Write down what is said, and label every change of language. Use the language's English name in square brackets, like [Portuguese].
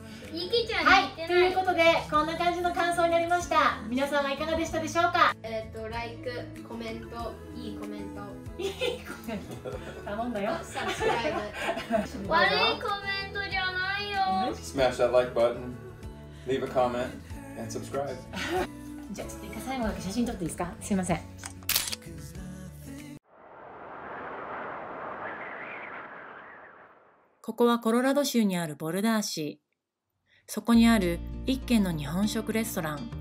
[Japanese] ゆきちゃん、はい、ということでこんな感じの感想になりました。皆さんはいかがでしたでしょうか？ライク、コメント、いいコメントいいコメント頼んだよ。サブスクライブ悪いコメントじゃないよ。 [English] Smash that like button, leave a comment and subscribe. [Japanese] じゃあちょっと最後だけ写真撮っていいですか？すいません。ここはコロラド州にあるボルダー市。そこにある一軒の日本食レストラン。